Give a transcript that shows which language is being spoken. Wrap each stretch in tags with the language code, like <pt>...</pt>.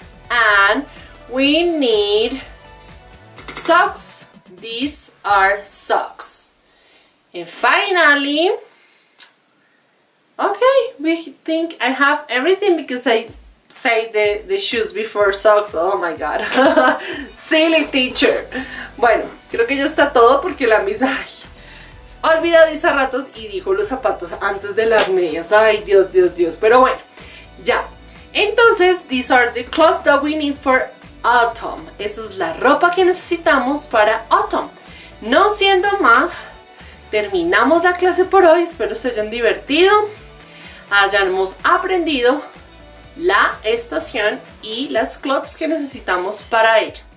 <en>And we need socks. These are socks. And finally, okay, we think I have everything because I say the shoes before socks. Oh my god. Silly teacher.</en> <es>Bueno, creo que ya está todo porque la misa olvidadiza ratos y dijo los zapatos antes de las medias. Ay, Dios, Dios, Dios. Pero bueno, ya.</es> <en>Entonces, these are the clothes that we need for autumn.</en> <es>Esa es la ropa que necesitamos para autumn. No siendo más, terminamos la clase por hoy. Espero se hayan divertido. Hayamos aprendido la estación y las clothes que necesitamos para ella.</es>